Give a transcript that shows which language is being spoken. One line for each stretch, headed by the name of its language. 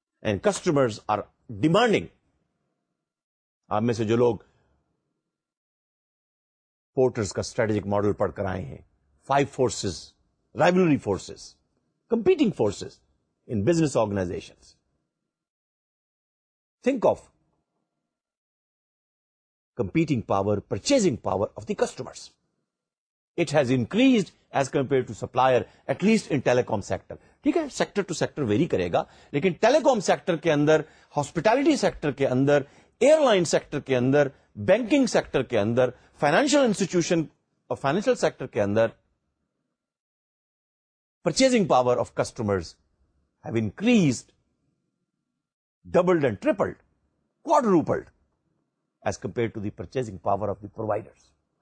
English: And customers are demanding.
Urdu: آپ میں سے جو لوگ پورٹرز کا اسٹریٹجک ماڈل پڑھ کر آئے ہیں,
English: Five forces, رائبلری forces, competing forces in business organization, think of competing power, purchasing power of the customers. It has increased as compared to supplier, at least in telecom sector.
Urdu: ٹھیک ہے, sector to sector very کرے گا, لیکن ٹیلیکوم sector کے اندر, hospitality sector کے اندر, air line sector کے اندر, banking sector کے اندر, financial institution اور financial sector کے اندر
English: Purchasing power of customers have increased doubled and tripled quadrupled as compare to the purchasing power of the providers.